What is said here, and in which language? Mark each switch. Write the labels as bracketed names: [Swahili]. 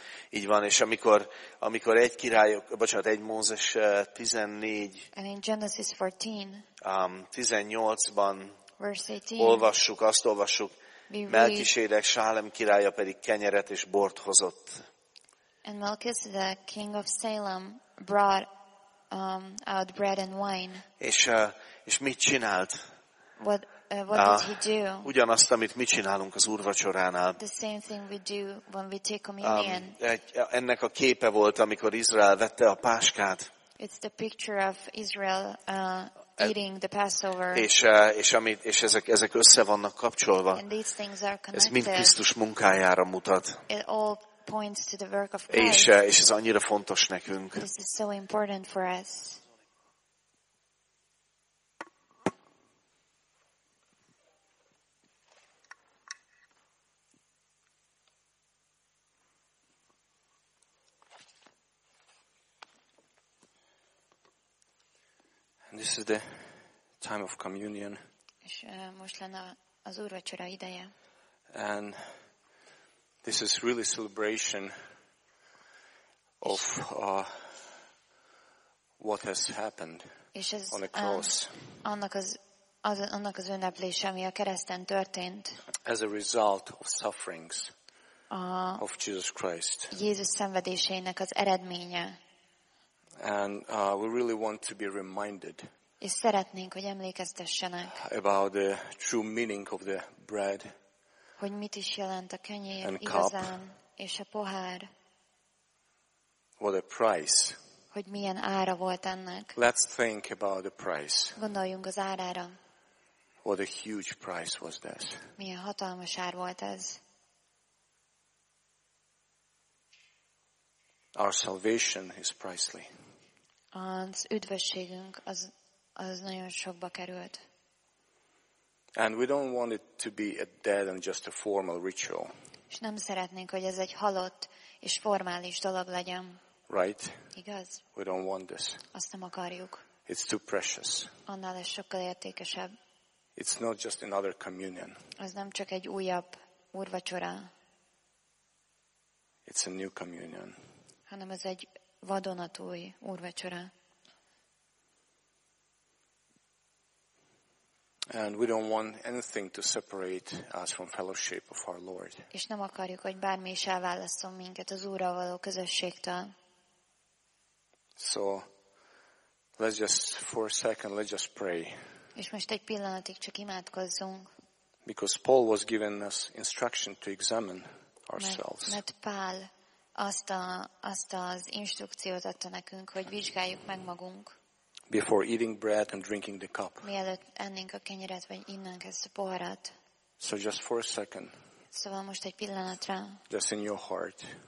[Hungarian] Így van, és amikor egy Mózes 14. [English] And in Genesis 14. [Hungarian] 18-ban [English] verse 18, [Hungarian] olvassuk, Melkisédek, Sálem királya pedig kenyeret és bort hozott. [English] And Melchizedek, king of Salem, brought out bread and wine. [Hungarian] És mit csinált? [English] What did he do? [Hungarian] Ugyanazt, amit mi csinálunk az úrvacsoránál. [English] The same thing we do when we take communion. [Hungarian] Ennek a képe volt, amikor Izrael vette a páskát. [English] It's the picture of Israel eating the Passover. [Hungarian] És ezek össze vannak kapcsolva. [English] And these things are connected. [Hungarian] Ez mind Krisztus munkájára mutat. [English] It all points to the work of Christ. [Hungarian] És ez annyira fontos nekünk. [English] This is so important for us. This is the time of communion. [Hungarian] És most lenne az úrvacsora ideje. [English] And this is really celebration of what has happened on the cross. [Hungarian] Annak az ünneplés, ami a kereszten történt. [English] As a result of sufferings of Jesus Christ. [Hungarian] Jézus szenvedésének az eredménye. [English] And we really want to be reminded. [Hungarian] És szeretnénk, hogy emlékeztessenek. [English] About the true meaning of the bread. [Hungarian] Hogy mit is jelent a kenyér igazán, és a pohár. [English] What a price. [Hungarian] Hogy milyen ára volt ennek. [English] Let's think about the price. [Hungarian] Gondoljunk az árára. [English] What a huge price was this. [Hungarian] Milyen hatalmas ár volt ez. [English] Our salvation is pricely. [Hungarian] Az üdvösségünk az nagyon sokba került. [English] And we don't want it to be a dead and just a formal ritual. [Hungarian] És nem szeretnénk, hogy ez egy halott és formális dolog legyen. [English] Right? [Hungarian] Igaz? [English] We don't want this. [Hungarian] Azt nem akarjuk. [English] It's too precious. [Hungarian] Annál ez sokkal értékesebb. [English] It's not just another communion. [Hungarian] Ez nem csak egy újabb úrvacsora. [English] It's a new communion. [Hungarian] Hanem ez egy vadonatúj úrvacsora. [English] And we don't want anything to separate us from fellowship of our Lord. [Hungarian] És nem akarjuk, hogy bármi is elválasszon minket az Úrral való közösségtől. [English] So let's just for a second let's just pray. [Hungarian] És most egy pillanatig csak imádkozzunk. [English] Because Paul was given us instruction to examine ourselves. [Hungarian] Mert Pál azt az instrukciót adta nekünk, hogy vizsgáljuk meg magunk. [English] Before eating bread and drinking the cup. [Hungarian] Mielőtt ennénk a kenyeret, vagy innánk ezt a poharat. [English] So just for a second. [Hungarian] Szóval most egy pillanatra. [English] Just in your heart.